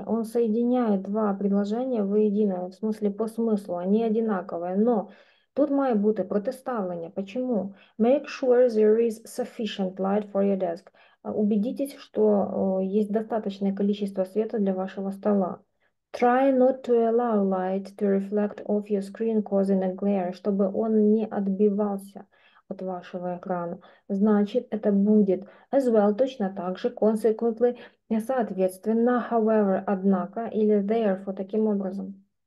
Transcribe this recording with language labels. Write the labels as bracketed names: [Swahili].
[Russian] Он соединяет два предложения воедино, в смысле по смыслу, они одинаковые. Но тут might быть противопоставление. Почему? [English] Make sure there is sufficient light for your desk. [Russian] Убедитесь, что есть достаточное количество света для вашего стола. [English] Try not to allow light to reflect off your screen, causing a glare, [Russian] чтобы он не отбивался от вашего экрана. Значит, это будет as well, точно так же, consequently, соответственно, however, однако, или therefore, таким образом.